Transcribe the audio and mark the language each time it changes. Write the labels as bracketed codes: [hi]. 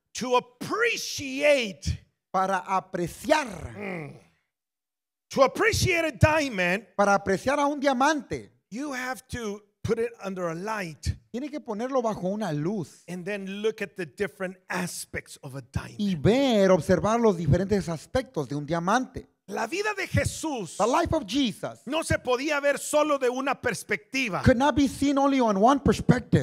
[en] to appreciate, [es] para apreciar, [en] to appreciate a diamond, [es] para apreciar a un diamante, [en] you have to put it under a light, [es] tiene que ponerlo bajo una luz, [en] and then look at the different aspects of a diamond, [es] y ver, observar los diferentes aspectos de un diamante. La vida de Jesús, [en] the life of Jesus, [es] no se podía ver solo de una perspectiva. [en] Could not be seen only on one perspective.